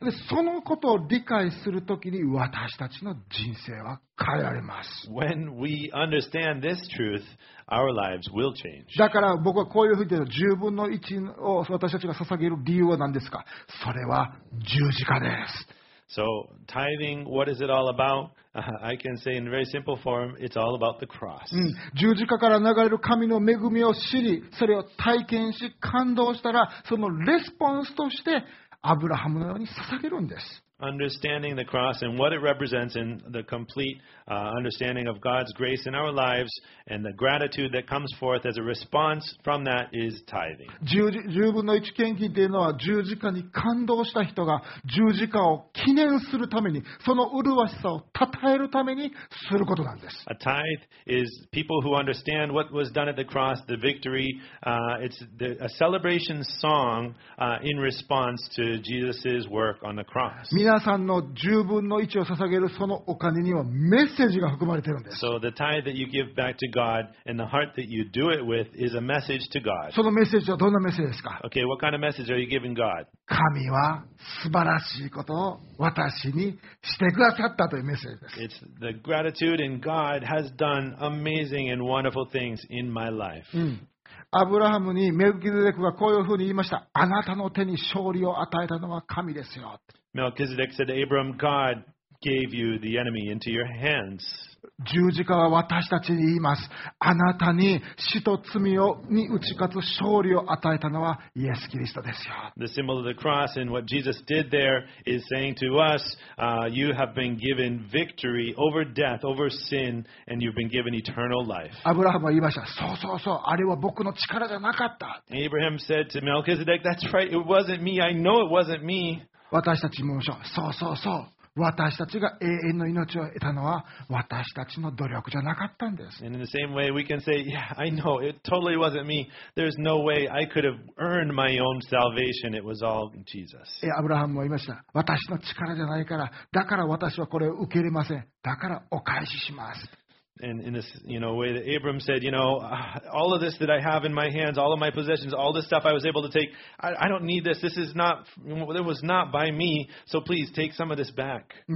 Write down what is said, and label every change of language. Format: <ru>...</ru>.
<ja>で、そのことを理解するときに私たちの人生は変えられます。</ja> <en>When we understand this truth, our lives will change.</en> <ja>だから僕はこういうふうに10分の1を私たちが捧げる理由は何ですか？それは十字架です。</ja> <en>So, tithing, what is it all about? I can say in very simple form, it's all about the cross.</en> <ja>十字架から流れる神の恵みを知り、それを体験し、感動したら、そのレスポンスとして、アブラハムのように捧げるんです。</ja> <en>Understanding the cross and what it represents and the complete understanding of God's grace in our lives and the gratitude that comes forth as a response from that is tithing.</en> <ja>10分の1献金というのは十字架に感動した人が十字架を記念するためにその麗しさを称えるためにすることなんです。</ja> <en>A tithe is people who understand what was done at the cross, the victory. It's a celebration song in response to Jesus' work on the cross.</en> <ja>皆さんの十分の一を捧げるそのお金にはメッセージが含まれているんです。</ja> <en>So the tithe that you give back to God and the heart that you do it with is a message to God.</en> <ja>そのメッセージはどんなメッセージですか？</ja> <en>Okay, what kind of message are you giving God?</en> <ja>神は素晴らしいことを私にしてくださったというメッセージです。</ja> <en>It's the gratitude in God has done amazing and wonderful things in my life.</en> <ja>アブラハムにメルキゼデクがこういうふうに言いました。あなたの手に勝利を与えたのは神ですよ。</ja> <en>Melchizedek said, Abram, God gave you the enemy into your hands.</en> <ja>十字架は私たちに言います。あなたに死と罪をに打ち勝つ勝利を与えたのはイエス・キリストですよ。</ja> <en>The symbol of the cross and what Jesus did there is saying to us, you have been given victory over death, over sin, and you've been given eternal life.</en> <ja>アブラハムは言いました。そうそうそう、あれは僕の力じゃなかった。</ja> <en>Abraham said to Melchizedek, That's right, it wasn't me. I know it wasn't me.</en> <ja>私たちも言いましょう。そうそうそう。私たちが永遠の命を得たのは私たちの努力じゃなかったんです。</ja> <en>And in the same way, we can say, yeah, I know, it totally wasn't me. There's no way I could have earned my own salvation. It was all Jesus.</en> <ja>アブラハムも言いました。私の力じゃないから、だから私はこれを受け入れません。だからお返しします。</ja> <en>And in this, you know, way that Abram said, you know, all of this that I have in my hands, all of my possessions, all the stuff I was able to take, I don't need this. This is not, it was not by me. So please take some of this back.</en>